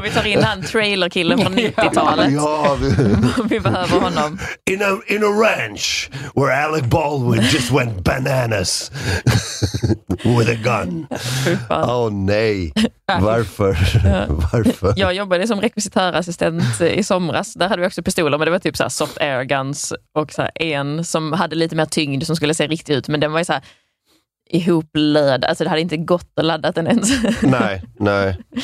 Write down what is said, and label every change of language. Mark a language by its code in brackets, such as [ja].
[sv] Vi tar in han trailerkillen från 90-talet. Ja, vi behöver honom. [en] In a ranch where Alec Baldwin just went bananas with a gun. [sv] Åh nej. Varför? Varför? Jag jobbade som rekvisitörassistent i somras. Där hade vi också pistoler, men det var typ så här soft air guns och så här en som hade lite mer tyngd som skulle se riktigt ut, men den var ju så här ihoplöd. Alltså det hade inte gått att ladda den ens. Nej, nej.